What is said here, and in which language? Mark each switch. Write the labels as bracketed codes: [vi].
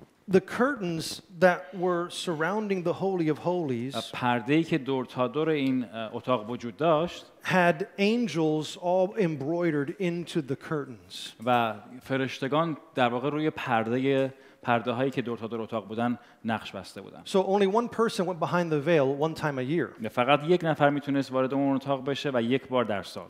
[en] The curtains that were surrounding the Holy of Holies, [fa] پرده‌ای که دور تا دور این اتاق وجود داشت, [en] had angels all embroidered into the curtains. [fa] و فرشتگان در واقع روی پرده‌هایی که دور تا دور اتاق بودن نقش بسته بودن. [en] So only one person went behind the veil one time a year. [fa] فقط یک نفر میتونست وارد اون اتاق بشه و یک بار در سال.